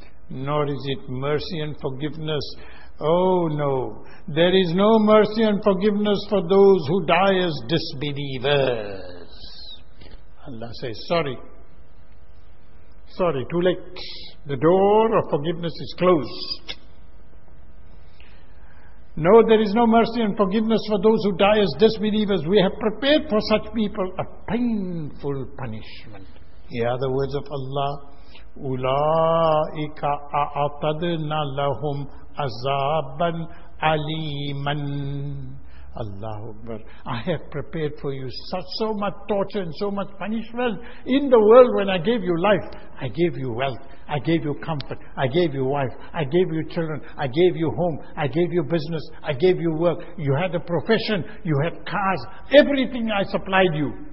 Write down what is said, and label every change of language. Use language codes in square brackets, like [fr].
[en] Nor is it mercy and forgiveness. Oh no, there is no mercy and forgiveness for those who die as disbelievers. Allah says, sorry. Sorry, too late. The door of forgiveness is closed. No, there is no mercy and forgiveness for those who die as disbelievers. We have prepared for such people a painful punishment. Here are the words of Allah. [ar] أُولَٰئِكَ أَعْتَدْنَا لَهُمْ عَذَابًا أَلِيمًا. Allahu Akbar. [en] I have prepared for you such so much torture and so much punishment in the world. When I gave you life, I gave you wealth, I gave you comfort, I gave you wife, I gave you children, I gave you home, I gave you business, I gave you work, you had a profession, you had cars, everything I supplied you.